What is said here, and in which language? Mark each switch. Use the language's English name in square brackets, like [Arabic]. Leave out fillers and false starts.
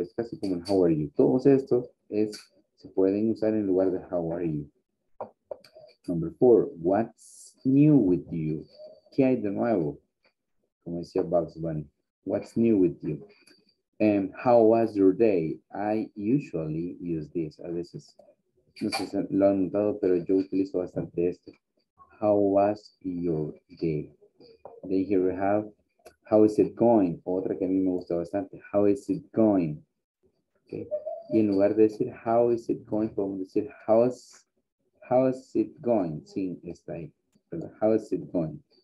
[Spanish] Es casi como [English] how are you. [Spanish] Todos estos es, se pueden usar en lugar de how are you. [English] Number four, what's new with you? [Spanish] ¿Qué hay de nuevo? Como decía [English] Bugs Bunny, what's new with you? And how was your day? I usually use this. [Spanish] A veces, no sé si lo han notado, pero yo utilizo bastante esto. [English] How was your day? Then here we have, how is it going? [Spanish] Otra que a mí me gusta bastante. [English] How is it going? Okay. [Spanish] Y en lugar de decir [English] how is it going, [Spanish] podemos decir [English] how is it going? [Spanish] Sí, está ahí. [English] How is it going?